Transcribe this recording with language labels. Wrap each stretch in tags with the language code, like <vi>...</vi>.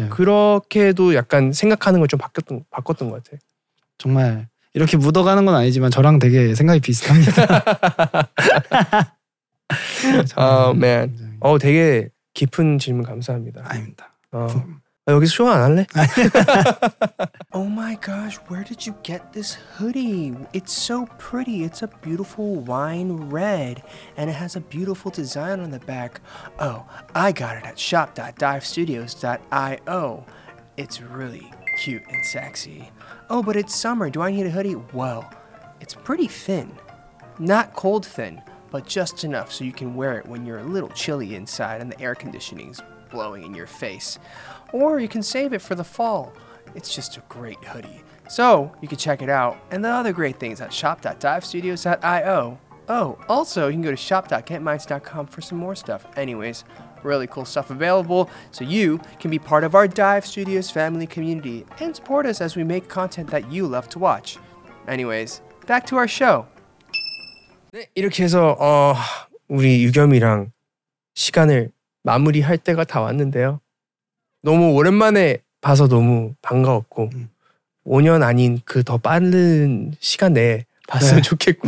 <ko>그래서 그렇게도 약간 생각하는 걸 좀 바꿨던 것 같아. 정말 이렇게 묻어가는 건 아니지만 저랑 되게 생각이 비슷합니다.</ko> <en>Oh man.</en> <ko>되게 깊은 질문 감사합니다. 아닙니다. 여기서 쇼 안 할래?</ko> <en>Oh my gosh, where did you get this hoodie? It's so pretty. It's a beautiful wine red. And it has a beautiful design on the back. Oh, I got it at shop.divestudios.io. It's really cute and sexy. Oh, but it's summer. Do I need a hoodie? Well, it's pretty thin. Not cold thin. But just enough so you can wear it when you're a little chilly inside and the air conditioning's blowing in your face. Or you can save it for the fall. It's just a great hoodie. So, you can check it out. And the other great things at shop.divestudios.io. Oh, also, you can go to shop.getminds.com for some more stuff. Anyways, really cool stuff available so you can be part of our Dive Studios family community and support us as we make content that you love to watch. Anyways, back to our show.</en> <ko>네, 이렇게 해서 우리 유겸이랑 시간을 마무리할 때가 다 왔는데요. 너무 오랜만에 봐서 너무 반가웠고 5년 아닌 그 더 빠른 시간 내에 봤으면 네, 좋겠고</ko>